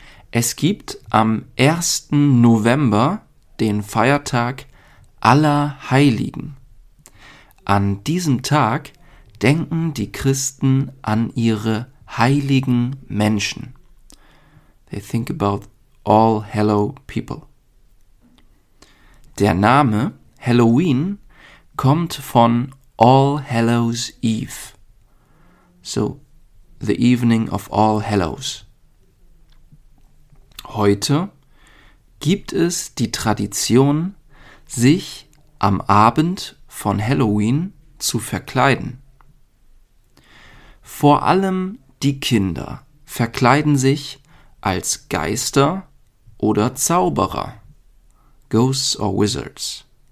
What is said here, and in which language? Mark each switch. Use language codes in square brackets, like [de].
[de] Es gibt am 1. November den Feiertag aller Heiligen. An diesem Tag denken die Christen an ihre heiligen Menschen. [en] They think about all hallow people. [de] Der Name Halloween kommt von All Hallows Eve. [en] So, the evening of All Hallows. [de] Heute gibt es die Tradition, sich am Abend von Halloween zu verkleiden. Vor allem die Kinder verkleiden sich als Geister oder Zauberer, [en] Ghosts or Wizards.